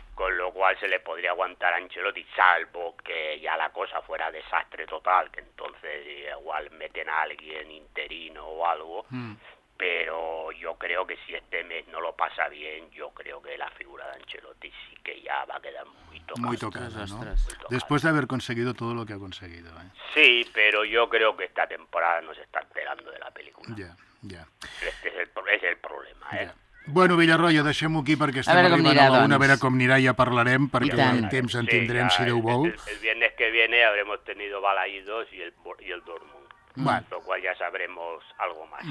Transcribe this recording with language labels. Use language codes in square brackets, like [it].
[es] Con lo cual se le podría aguantar a Ancelotti, salvo que ya la cosa fuera desastre total, que entonces igual meten a alguien interino o algo, pero yo creo que si este mes no lo pasa bien, yo creo que la figura de Ancelotti sí que ya va a quedar muy tocada, ¿no? Después de haber conseguido todo lo que ha conseguido, ¿eh? Sí, pero yo creo que esta temporada nos está enterando de la película. Ya. Este es el problema, ¿eh? Yeah. [ca] Bueno, Villarroyo, deixem-ho aquí perquè estem arribant anirà, a la una, a veure com anirà, ja parlarem, perquè en temps en tindrem, sí, si Déu vol. [es] El viernes que viene habremos tenido Balaídos y el Dortmund. Bueno. Lo cual ya sabremos algo más.